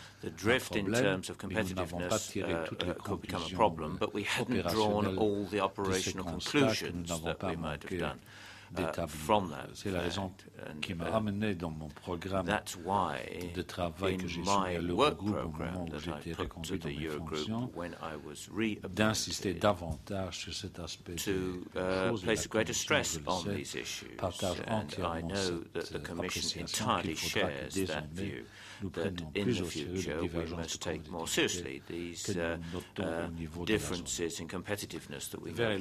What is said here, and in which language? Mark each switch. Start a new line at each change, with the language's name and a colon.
English: The drift in terms of competitiveness could become a problem, but we hadn't drawn all the operational conclusions that we might have done from that.
French: C'est la raison qui m'a amené dans mon programme de travail que j'ai soumis à l'Eurogroupe au moment où j'étais reconduit dans mes fonctions, d'insister davantage sur cet aspect des choses et de la Commission, je le sais, partage entièrement cette appréciation qu'il faudra que désormais
English: that in the future we must take more seriously these differences in competitiveness that we have in the